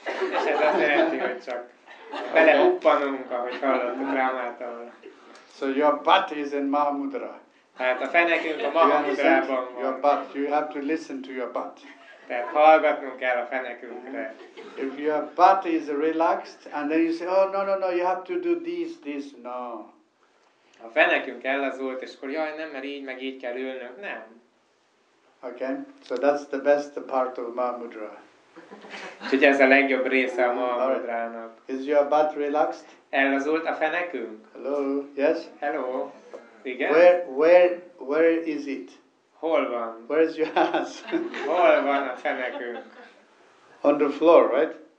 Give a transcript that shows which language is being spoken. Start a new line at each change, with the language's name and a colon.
Hungarian: És ez azt jelenti, hogy csak... Belehuppanunk, ahogy hallottuk Lámától.
English: So your butt is in Mahamudra.
Hungarian: Hát a fenekünk a Mahamudrában van.
English: Your butt, you have to listen to your butt.
Hungarian: Tehát hallgatnunk kell a fenekünkre.
English: If your butt is relaxed, and then you say, oh no, you have to do this, no.
Hungarian: a fenekünk ellazult, és akkor jaj, nem, mert így, meg így kell ülnök. Nem.
English: Okay, so that's the best part of Mahamudra.
Hungarian: Úgyhogy ez a legjobb része a Mahamudrának.
English: Is your butt relaxed?
Hungarian: Ellazult a fenekünk?
English: Hello, yes?
Hungarian: Hello. Igen?
English: Where is it?
Hungarian: Hol van?
English: Where's your ass?
Hungarian: Hol van a fenekünk?
English: On the floor, right?